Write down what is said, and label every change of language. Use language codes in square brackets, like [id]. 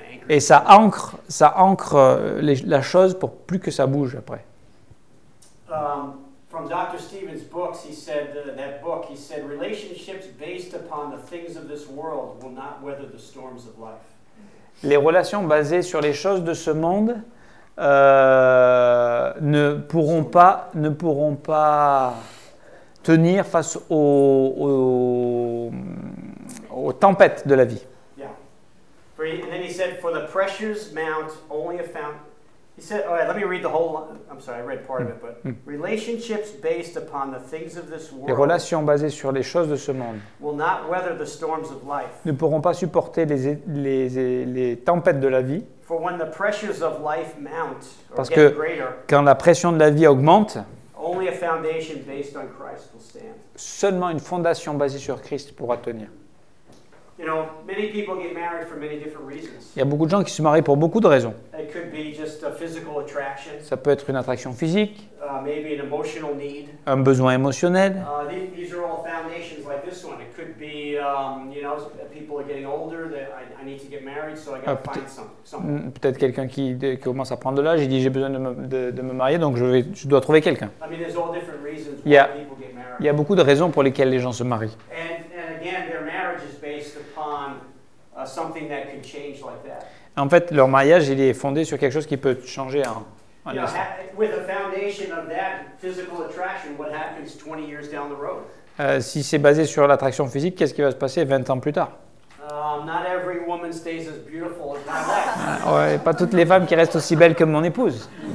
[fr] Et ça ancre la chose pour plus que ça bouge après. [en] From Dr. Stevens' books, he said that book. He said relationships based upon the things of this world will not weather the storms of life. [fr] Les relations basées sur les choses de ce monde ne pourront pas tenir face aux tempêtes de la vie. [en] And then he said, for the pressures mount only a foundation. He said, all right, let me read the whole line. I'm sorry, I read part of it, but relationships based upon the things of this world. [fr] Les relations basées sur les choses de ce monde. [en] Will not weather the storms of life. [fr] Ne pourront pas supporter les tempêtes de la vie. [en] For when the pressures of life mount or get greater. [fr] Parce que quand la pression de la vie augmente. [en] Only a foundation based on Christ will stand. [fr] Seulement une fondation basée sur Christ pourra tenir. [en] You know, many people get married for many different reasons. [fr] Il y a beaucoup de gens qui se marient pour beaucoup de raisons. [en] It could be just a physical attraction. [fr] Ça peut être une attraction physique. [en] Maybe an emotional need. [fr] Un besoin émotionnel. [en] These are all foundations like this one. It could be, you know, people are getting older, that I need to get married, so I got to find something. [fr] Peut-être quelqu'un qui commence à prendre de l'âge, il dit j'ai besoin de me marier, donc je dois trouver quelqu'un. [en] I mean, there's all different reasons why people get married. [fr] Il y a beaucoup de raisons pour lesquelles les gens se marient. [en] And again, their marriage is based upon something that could change like that. [fr] En fait, leur mariage, il est fondé sur quelque chose qui peut changer en instant. Si c'est basé sur l'attraction physique, qu'est-ce qui va se passer 20 ans plus tard? [en] Not every woman stays as beautiful as my wife. [fr] Ouais, pas toutes les femmes qui restent aussi belles que mon épouse.